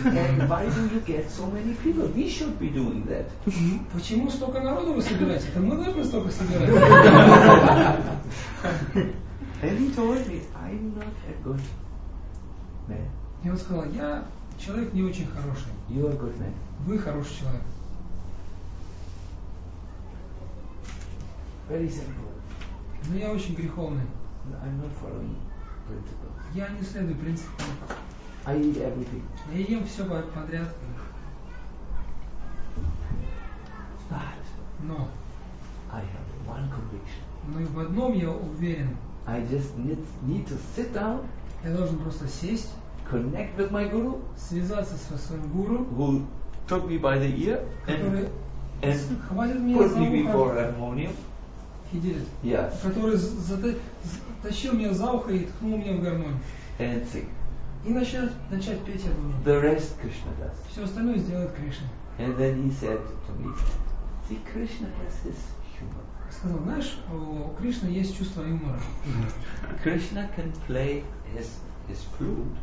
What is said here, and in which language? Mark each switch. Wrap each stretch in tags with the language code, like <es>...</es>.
<en>And why do you get so many people? We should be doing that.</en> <ru>Почему столько народу вы собираете? Это мы должны столько собирать.</ru> <en>And he told me, I'm not a good man.</en> <ru>И он сказал, я человек не очень хороший.</ru> <en>You are a good man.</en> <ru>Вы хороший человек.</ru> <en>Very simple.</en> <ru>Но я очень греховный.</ru> <en>I'm not following principles.</en> <ru>Я не следую принципам.</ru> <en>I eat everything.</en> <ru>Я ем все подряд.</ru> <en>But no. I have one conviction.</en> <ru>Но и в одном я уверен.</ru> <en>I just need to sit down.</en> <ru>Я должен просто сесть.</ru> <en>Connect with my guru.</en> <ru>Связаться со своим гуру.</ru> <en>Who took me by the ear and put me before harmonium. Yes.</en> <ru>Который затащил меня за ухо и ткнул меня в гармонию. И начать петь я должен.</ru> <en>The rest Krishna does.</en> <ru>Все остальное сделает Кришна.</ru> <en>And then he said to me, see, Krishna has his humor.</en> <ru>Сказал, знаешь, у Кришны есть чувство юмора.</ru> <en>Krishna can play his flute.</en>